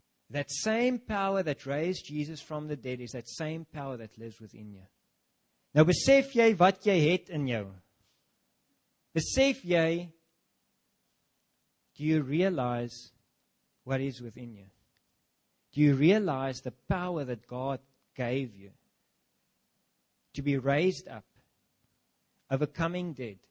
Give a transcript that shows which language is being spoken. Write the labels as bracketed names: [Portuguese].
[English] That same power that raised Jesus from the dead is that same power that lives within you. [Afrikaans] Nou besef jy wat jy het in jou. Besef jy, [English] do you realize what is within you? Do you realize the power that God gave you to be raised up, overcoming dead?